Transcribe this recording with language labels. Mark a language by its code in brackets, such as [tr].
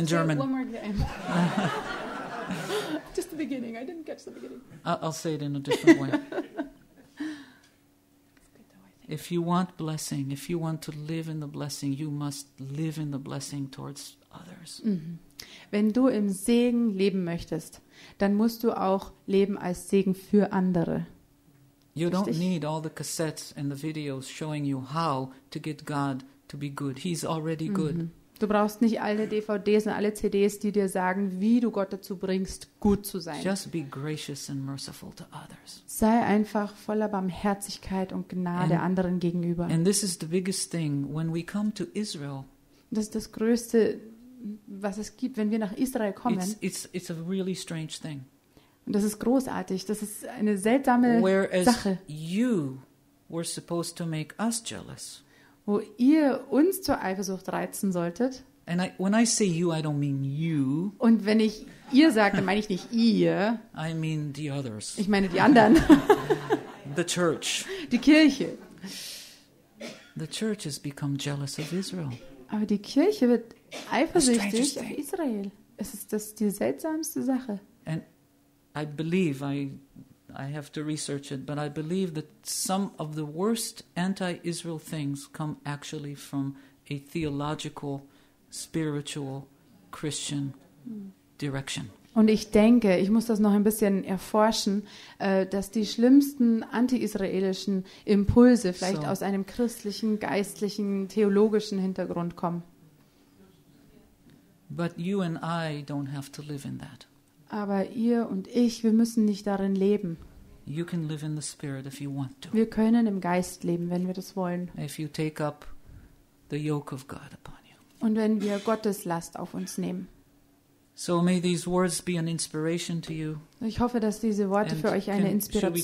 [en] in German. Say it one more time. Just the beginning. I didn't catch the beginning. I'll say it in a different way. If you want blessing, if you want to live in the blessing, you must live in the blessing towards others. [de] Wenn du im Segen leben möchtest, dann musst du auch leben als Segen für andere. [en] You don't need all the cassettes and the videos showing you how to get God to be good. He's already good. [de] Du brauchst nicht alle DVDs und alle CDs, die dir sagen, wie du Gott dazu bringst, gut zu sein. [en] Just be gracious and merciful to others. [de] Sei einfach voller Barmherzigkeit und Gnade anderen gegenüber. [en] And this is the biggest thing when we come to Israel. [de] Das ist das Größte, was es gibt, wenn wir nach Israel kommen. [en] It's a really strange thing. [de] Und das ist großartig. Das ist eine seltsame [en] Whereas [de] Sache. [en] You were supposed to make us jealous. [de] Wo ihr uns zur Eifersucht reizen solltet. [en] And when I say you, I don't mean you. [de] Und wenn ich ihr sage, dann meine ich nicht ihr. [en] I mean the others. [de] Ich meine die anderen. [en] The church. [de] Die Kirche. [en] The church has become jealous of Israel. [de] Aber die Kirche wird eifersüchtig auf Israel. Es ist das die seltsamste Sache. [en] And I believe I have to research it, but I believe that some of the worst anti-Israel things come actually from a theological, spiritual, Christian direction. [de] Und ich denke, ich muss das noch ein bisschen erforschen, dass die schlimmsten anti-israelischen Impulse vielleicht aus einem christlichen, geistlichen, theologischen Hintergrund kommen. [en] But you and I don't have to live in that. [de] Aber ihr und ich, wir müssen nicht darin leben. [en] You can live in the spirit if you want to. [de] Wir können im Geist leben, wenn wir das wollen. [en] If you take up the yoke of God upon you. [de] Und wenn wir Gottes Last auf uns nehmen. [en] So may these words be an inspiration to you. [de] Ich hoffe, dass diese Worte [en] and [de] für euch eine Inspiration sind.